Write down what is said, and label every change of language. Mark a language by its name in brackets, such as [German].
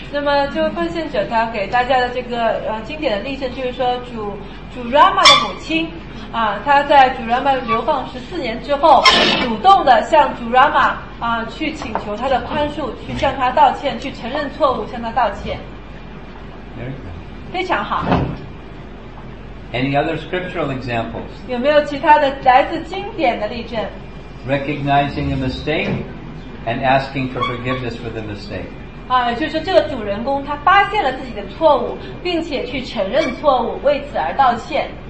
[Chinese] 那么，这位奉献者他给大家的这个经典的例证，就是说主 Rama 的母亲啊，他在主 Rama 流放14年之后，主动的向主 Rama 去请求他的宽恕，去向他道歉，去承认错误，向他道歉。非常好。 [English] Any other scriptural examples? [Chinese] 有没有其他的来自经典的例证？ [English] Recognizing a mistake and asking for forgiveness for the mistake. [Chinese] 也就是这个主人公他发现了自己的错误，并且去承认错误，为此而道歉。